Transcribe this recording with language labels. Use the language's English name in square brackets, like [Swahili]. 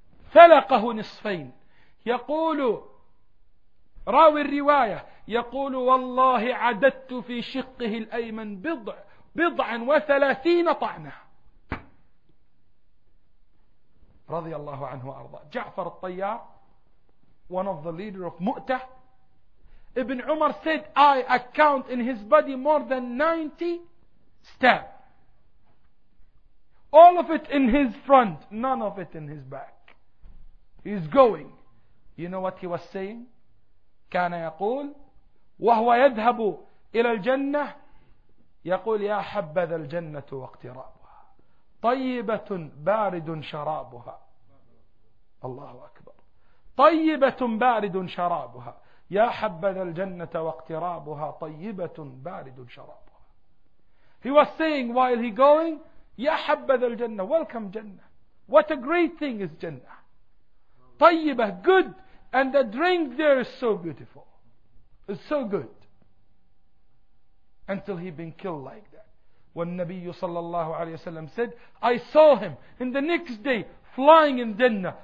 [Arabic] فلقه نصفين. يقول راوي الرواية يقول والله عددت في شقه الأيمن بضعا وثلاثين طعنة رضي الله عنه وأرضاه. [English] جعفر الطيار one of the leader of مؤتة. ابن عمر said I account in his body more than 90 stab, all of it in his front, none of it in his back. He's going. You know what he was saying? [Arabic] كان يقول وهو يذهب إلى الجنة يقول يا حبذا الجنة واقترابها طيبة بارد شرابها. الله أكبر. طيبة بارد شرابها يا حبذا الجنة واقترابها طيبة بارد شرابها. [English] He was saying while he going [Arabic] يا حبذا الجنة, [English] welcome جنة, what a great thing is جنة, طيبة, good, and the drink there is so beautiful, it's so good. Until he been killed like that. [Arabic] والنبي صلى الله عليه وسلم [English] said I saw him in the next day flying in Jannah.